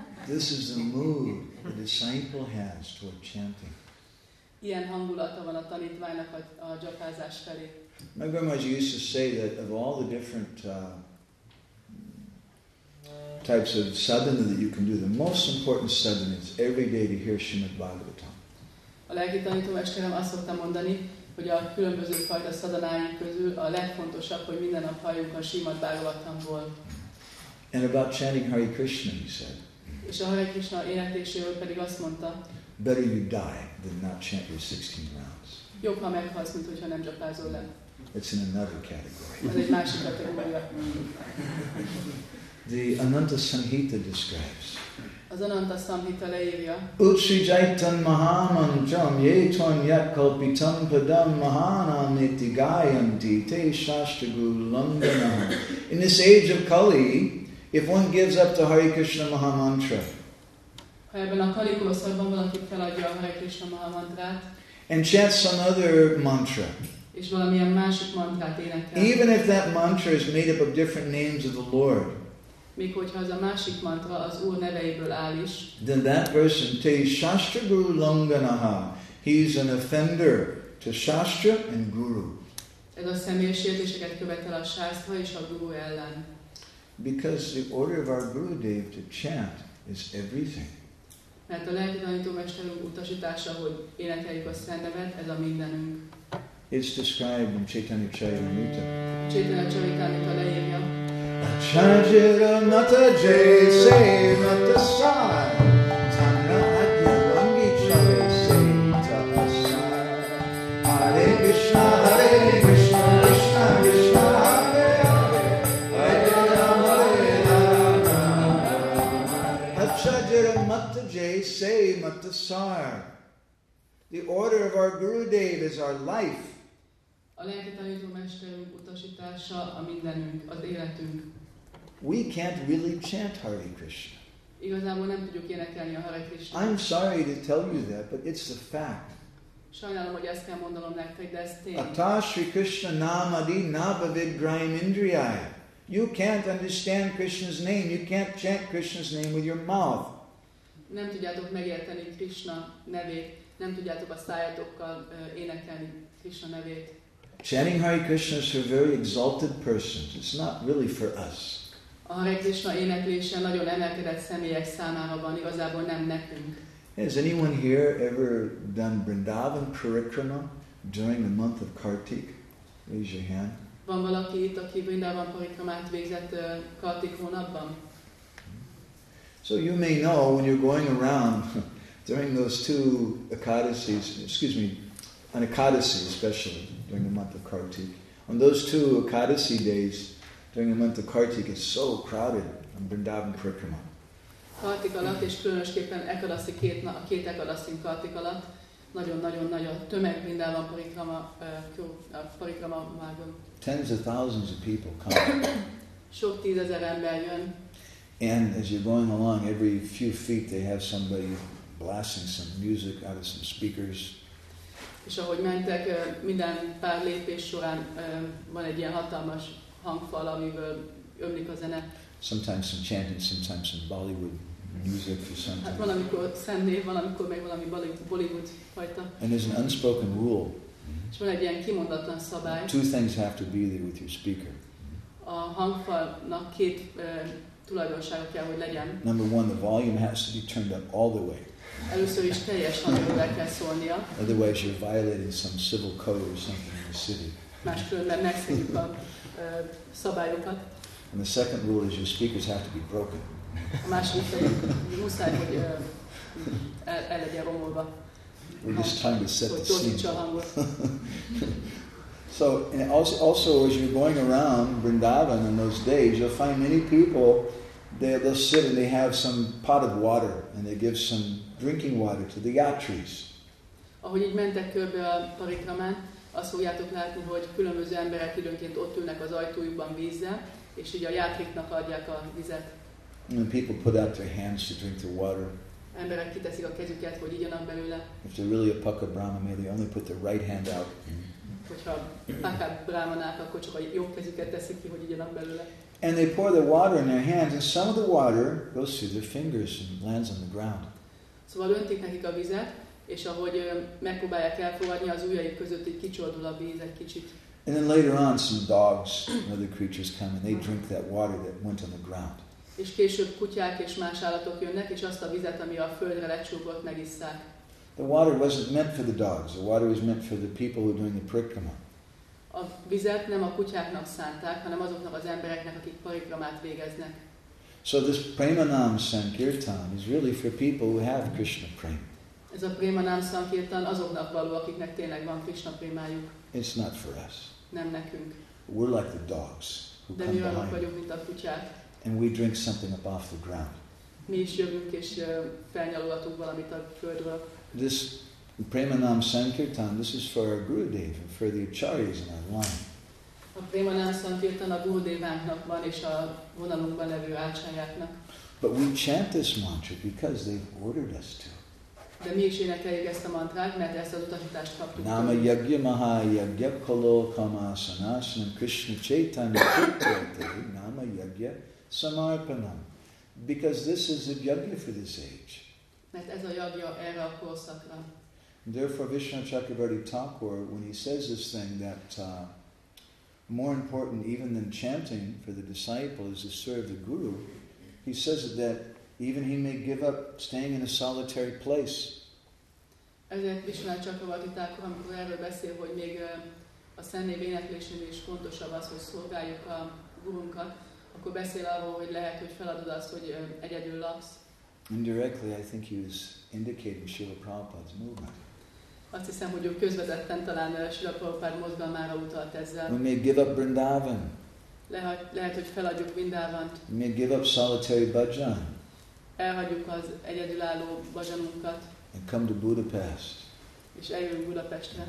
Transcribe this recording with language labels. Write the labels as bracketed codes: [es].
[en] This is the mood the disciple has toward chanting. My grandmother used to say that of all the different types of sadhana that you can do, the most important sadhana is every day to hear Srimad Bhagavatam. [hu] A lelki tanító mesterem azt szoktam mondani, hogy a különböző fajta szadanáink közül a legfontosabb, hogy minden nap halljunk a Srimad Bhagavatamból. [en] And about chanting Hare Krishna, he said. [hu] És a Hare Krishna énekléséről pedig azt mondta. [en] Better you die than not chant your 16 rounds. [hu] Jobb, ha meghalsz, mint hogyha nem japázol le. [en] It's in another category. [hu] Ez egy másik kategória. [en] The Ananta Samhita describes. [hu] Az Ananta Samhita leírja. [sa] Utsri jaitan mahamantram ye tvam yat kalpitam padam mahanam iti gayanti te shastra gulandanam. [en] In this age of Kali, if one gives up the Hare Krishna mahamantra, [hu] ha ebben a Kali korszakban valaki feladja a Hare Krishna mahamantrát, [en] and chants some other mantra, [hu] és valamilyen másik mantrát énekel, [en] even if that mantra is made up of different names of the Lord, [hu] még hogyha az a másik mantra az Úr neveiből áll is. [en] Then that person, [sa] te shastra guru langanaha, [en] he is an offender to shastra and guru. [hu] Ez a személyes sértéseket követel a shastra és a guru ellen. [en] Because the order of our Gurudev to chant is everything. [hu] Mert a lelki tanító mesterünk utasítása, hogy énekeljük a szent nevet, ez a mindenünk. [en] It's described in Chaitanya Charitamrita. [hu] Chaitanya Charitamrita leírja. [sa] Chajira mata jay se mata sai Tanya adya langi chave se mata sai Hare Krishna Hare Krishna Krishna Krishna Hare Hare Hare Rama Hare Rama Chajira mata jay se mata sai [en] The order of our Gurudev is our life. [hu] A lelki tanító mesterünk utasítása a mindenünk, az életünk. [en] We can't really chant Hare Krishna. [hu] Igazából nem tudjuk énekelni a Hare Krishna. [en] I'm sorry to tell you that, but it's a fact. [hu] Sajnálom, hogy ezt kell mondanom nektek, de ez tény. [sa] Atta Shri Krishna Namadi Nabhavidgrahim Indriya. [en] You can't understand Krishna's name. You can't chant Krishna's name with your mouth. [hu] Nem tudjátok megérteni Krishna nevét. Nem tudjátok a szájatokkal énekelni Krishna nevét. [en] Chanting Hare Krishna is for very exalted persons. It's not really for us. [hu] A Hare Krishna éneklése nagyon emelkedett személyek számára van, igazából nem nekünk. [en] Has anyone here ever done Vrindavan Parikrama during the month of Kartik? Raise your hand. [hu] Van valaki itt, aki Vrindavan Parikramát végzett Kartik hónapban? [en] So you may know when you're going around during those two Ekadasis, excuse me, an Ekadasi especially, during the month of Kartik. On those two Ekadasi days, during the month of Kartik, it's so crowded on Vrindavan Parikrama. [hu] Kartik alatt, és különösképpen Ekadasi két Ekadasin Kartik alatt, nagyon-nagyon nagy a tömeg Vrindavan Parikrama, Parikrama vágon. [en] Tens of thousands of people come. [hu] Sok tízezer ember jön. [en] And as you're going along, every few feet they have somebody blasting some music out of some speakers. [hu] És ahogy mentek, minden pár lépés során van egy ilyen hatalmas hangfal, amiből ömlik a zene. [en] Sometimes some chanting, sometimes some Bollywood music for some time. [hu] Hát valamikor szent név, valamikor meg valami Bollywood fajta. [en] And there's an unspoken rule. [hu] És van egy ilyen kimondatlan szabály. [en] Two things have to be there with your speaker. [hu] A hangfalnak két tulajdonsága kell, hogy legyen. [en] Number one, the volume has to be turned up all the way. [hu] Először is teljes hangjól le kell szólnia. [en] Otherwise you're violating some civil code or something in the city. [hu] Máskülönben megszegjük a szabályokat. [en] And the second rule is your speakers have to be broken. [hu] A második pedig muszáj, hogy el legyen romolva. [en] We're just trying to set the scene. So, and also, as you're going around Vrindavan in those days, you'll find many people, they'll sit and they have some pot of water and they give some drinking water to the yatris. [hu] Ahogy így mentek körbe a parikramán, azt fogjátok látni, hogy különböző emberek időnként ott ülnek az ajtójukban vízzel, és így a yatriknak adják a vizet. [en] And people put out their hands to drink the water. [hu] Emberek kiteszik a kezüket, hogy igyanak belőle. [en] If they're really a paka brahmana, they only put their right hand out. [hu] Hogyha paka brahmanák, akkor csak a jobb kezüket teszik ki, hogy igyanak belőle. [en] And they pour the water in their hands, and some of the water goes through their fingers and lands on the ground. [hu] Szóval öntik nekik a vizet, és ahogy megpróbálják elfogadni, az ujjaik között így kicsordul a víz egy kicsit. [en] And then later on, some dogs and other creatures come, and they drink that water that went on the ground. [hu] És később kutyák és más állatok jönnek, és azt a vizet, ami a földre lecsúgott, megisszák. [en] The water wasn't meant for the dogs. The water was meant for the people who were doing the parikrama. [hu] A vizet nem a kutyáknak szánták, hanem azoknak az embereknek, akik parikramát végeznek. [en] So this premanam sankirtan is really for people who have Krishna prema. [hu] Ez a premanam sankirtan azoknak való, akiknek tényleg van Krishna prémájuk. [en] It's not for us. [hu] Nem nekünk. [en] We're like the dogs who come behind. [hu] De mi olyanok vagyunk, mint a kutyák. [en] And we drink something up off the ground. [hu] Mi is jövünk és felnyalogatunk valamit a földről. [en] This premanam sankirtan, this is for our Gurudev and for the acharyas in our line. [hu] A premanam sankirtan a Gurudevánknak van és a vonalunkban levő ácsájáknak. [en] But we chant this mantra because they've ordered us to. [hu] De mi is énekeljük ezt a mantrát, mert ezt az utasítást kaptuk. [sa] Nama yagya maha yagya kolo kama sanasana krishna chaitanya kirtate nama yagya samarpanam, [en] because this is a yagya for this age. [hu] Mert ez a yagya erre a korszakra. [en] Therefore, Vishnu Chakravarti Thakur, when he says this thing, that more important even than chanting for the disciple is to serve the guru, he says that even he may give up staying in a solitary place. [hu] Ezért Vishnu Chakravarti Thakur, amikor erről beszél, hogy még a szennév éneklésnél is fontosabb az, hogy szolgáljuk a gurunkat, akkor beszél arról, hogy lehet, hogy feladod azt, hogy egyedül laksz. [en] Indirectly, I think he was indicating Srila Prabhupada's movement. [hu] Azt hiszem, hogy ő közvetetten talán Srila Prabhupada mozgalmára utalt ezzel. [en] We may give up Vrindavan. [hu] Lehet, hogy feladjuk Vrindavant. [en] We may give up solitary bhajan. [hu] Elhagyjuk az egyedülálló bhajanunkat. [en] And come to Budapest. [hu] És eljövünk Budapestre.